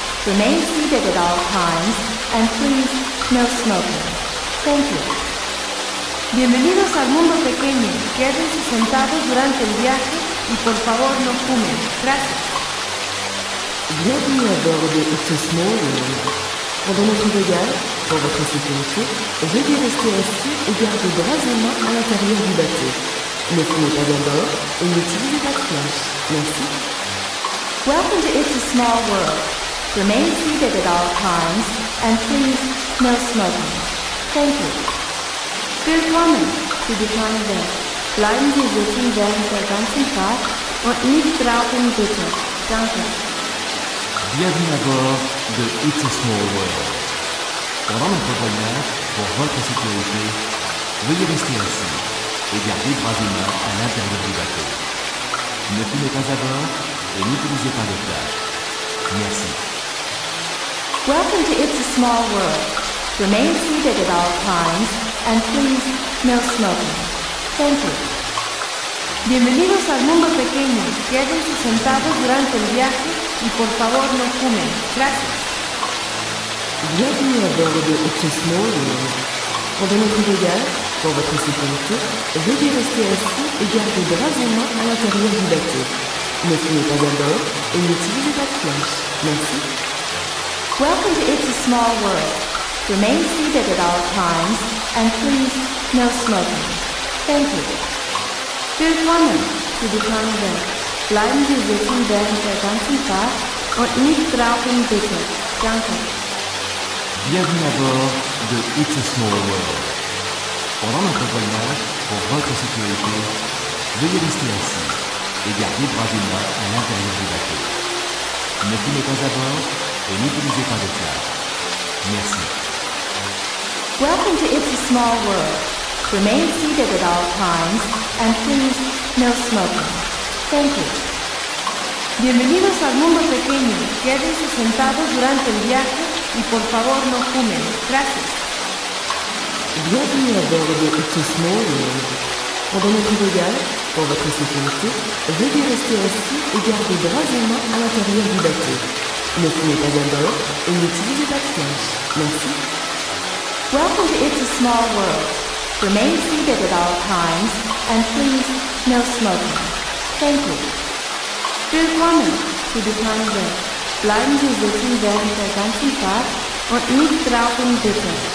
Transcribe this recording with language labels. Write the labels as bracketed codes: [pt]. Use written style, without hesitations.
[en] Remain seated at all times, and please, no smoking. Thank you. [es] Bienvenidos al mundo pequeño. Quédense sentados durante el viaje y por favor no fumen. Gracias. Bien, bienvenidos a It's a Small World. [fr] Pendant notre voyage, pour votre sécurité, veuillez rester assis et garder droit en main à l'intérieur du bateau. Ne fumez pas d'un bord et n'utilisez pas de flash. Merci. [en] Welcome to It's a Small World. Remain seated at all times, and please, no smoking. Thank you. [de] Willkommen zu Disneyland Paris. Bleiben Sie sitzen während der ganzen Fahrt und nicht rauchen bitte. Danke. [fr] Bienvenue à bord de It's a Small World. Pendant notre voyage, pour votre sécurité, veuillez rester assis et garder bras et mains à l'intérieur du bateau. Ne fumez pas à bord et n'utilisez pas de flash. Merci. [en] Welcome to It's a Small World. Remain seated at all times and please, no smoking. Thank you. [es] Bienvenidos al mundo pequeño. Quédense sentados durante el viaje y por favor no fumen. Gracias. [fr] Bienvenue à bord de It's a Small World. Pendant notre voyage, pour votre sécurité, veuillez rester assis et garder bras et mains à l'intérieur du bateau. Ne fumez pas à bord et n'utilisez pas de flash. Merci. [en] Welcome to It's a Small World. Remain seated at all times and please, no smoking. Thank you. [de] Willkommen zu Disneyland. Bleiben Sie sitzen während der ganzen Fahrt und nicht rauchen bitte. Danke. [fr] Bienvenue à bord de It's a Small World. Pendant notre voyage, pour votre sécurité, veuillez rester assis et garder bras et mains à l'intérieur du bateau. Ne fumez pas à bord et n'utilisez pas de flash. Merci. [en] Welcome to It's a Small World. Remain seated at all times and please, no smoking. Thank you. [es] Bienvenidos al mundo pequeño. Quédense sentados durante el viaje y por favor no fumen. Gracias. [fr] Bienvenue à bord de It's a Small World. Pendant notre voyage, pour votre sécurité, veuillez rester assis et garder bras et mains à l'intérieur du bateau. Ne fumez pas à bord et n'utilisez pas de flash. Merci. [en] Welcome to It's a Small World. Remain seated at all times and please, no smoking. Thank you. [de] Willkommen zu Disneyland Paris. Bleiben Sie sitzen während der ganzen Fahrt und nicht rauchen bitte.